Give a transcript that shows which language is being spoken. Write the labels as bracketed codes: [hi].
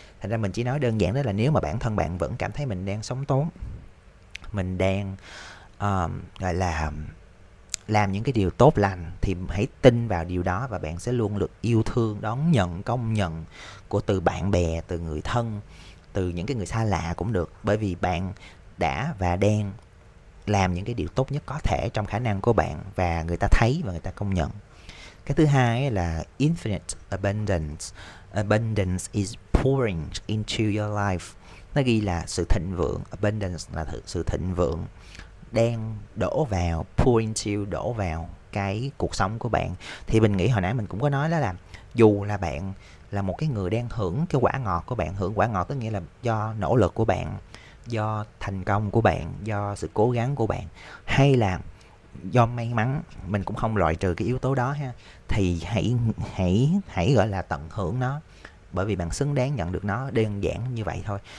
[vi] Thành ra mình chỉ nói đơn giản đó là nếu mà bản thân bạn vẫn cảm thấy mình đang sống tốt, mình đang gọi là làm những cái điều tốt lành, thì hãy tin vào điều đó và bạn sẽ luôn được yêu thương, đón nhận, công nhận của từ bạn bè, từ người thân, từ những cái người xa lạ cũng được, bởi vì bạn đã và đang làm những cái điều tốt nhất có thể trong khả năng của bạn và người ta thấy và người ta công nhận. Cái thứ hai là [en] infinite abundance. Abundance is pouring into your life. [vi] Nó ghi là sự thịnh vượng. Abundance là sự thịnh vượng đang đổ vào, [en] pour into, [vi] đổ vào cái cuộc sống của bạn. Thì mình nghĩ hồi nãy mình cũng có nói đó là dù là bạn là một cái người đang hưởng cái quả ngọt của bạn, hưởng quả ngọt tức nghĩa là do nỗ lực của bạn, do thành công của bạn, do sự cố gắng của bạn, hay là do may mắn, mình cũng không loại trừ cái yếu tố đó ha, thì hãy gọi là tận hưởng nó, bởi vì bạn xứng đáng nhận được nó, đơn giản như vậy thôi.